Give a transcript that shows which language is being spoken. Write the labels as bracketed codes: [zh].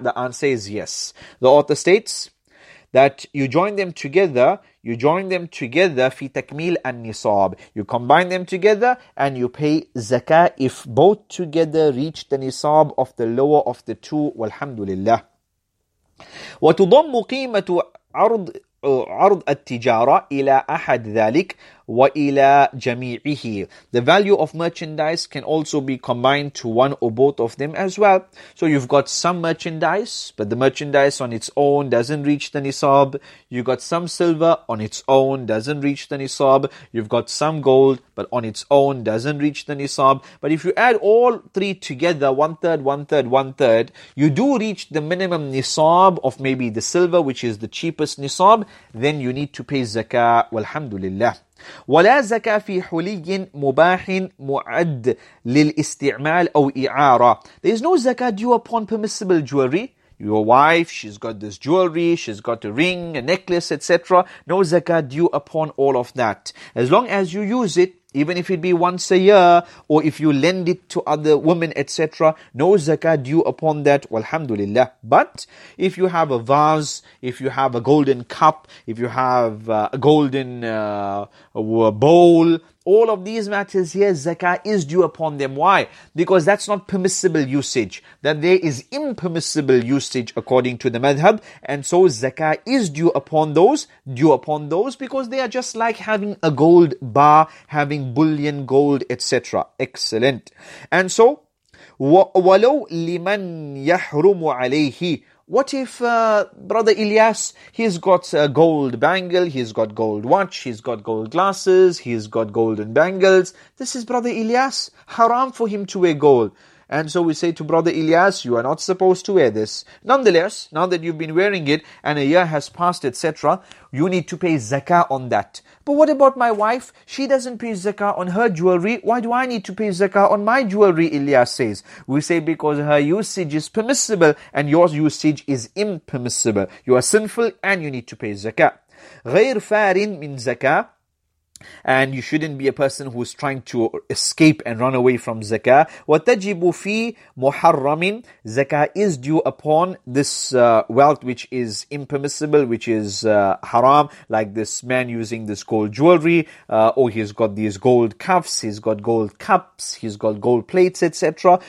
[en] The answer is yes. The author states that you join them together fi takmil and nisab. You combine them together and you pay zakat if both together reach the nisab of the lower of the two. Walhamdulillah. [ar] وتضم قيمة عرض التجارة إلى أحد ذلك وإلى جميعه. [en] The value of merchandise can also be combined to one or both of them as well. So you've got some merchandise, but the merchandise on its own doesn't reach the nisab. You've got some silver on its own doesn't reach the nisab. You've got some gold, but on its own doesn't reach the nisab. But if you add all three together, one third, one third, one third, you do reach the minimum nisab of maybe the silver, which is the cheapest nisab, then you need to pay zakah. Walhamdulillah. [ar] ولا زكاة في حلي مباح معد للاستعمال أو إعارة. [en] There is no zakat due upon permissible jewelry. Your wife, she's got this jewelry, she's got a ring, a necklace, etc. No zakat due upon all of that. As long as you use it, even if it be once a year, or if you lend it to other women, etc., no zakat due upon that, walhamdulillah. But if you have a vase, if you have a golden cup, if you have a golden bowl, all of these matters here, zakah is due upon them. Why? Because that's not permissible usage. That there is impermissible usage according to the madhab. And so zakah is due upon those, because they are just like having a gold bar, having bullion, gold, etc. Excellent. And so, [ar] وَلَوْ لِمَنْ يَحْرُمُ عَلَيْهِ. [en] What if Brother Ilyas, he's got a gold bangle, he's got gold watch, he's got gold glasses, he's got golden bangles. This is Brother Ilyas, haram for him to wear gold. And so we say to Brother Ilyas, you are not supposed to wear this. Nonetheless, now that you've been wearing it and a year has passed, etc., you need to pay zakah on that. But what about my wife? She doesn't pay zakah on her jewelry. Why do I need to pay zakah on my jewelry, Ilyas says? We say because her usage is permissible and your usage is impermissible. You are sinful and you need to pay zakah. [ar] غير فارين من zakah. [en] And you shouldn't be a person who's trying to escape and run away from zakah. [ar] وَتَجِبُ فِي مُحَرَّمٍ. [en] Zakah is due upon this wealth which is impermissible, which is haram, like this man using this gold jewelry, or he's got these gold cuffs, he's got gold cups, he's got gold plates, etc.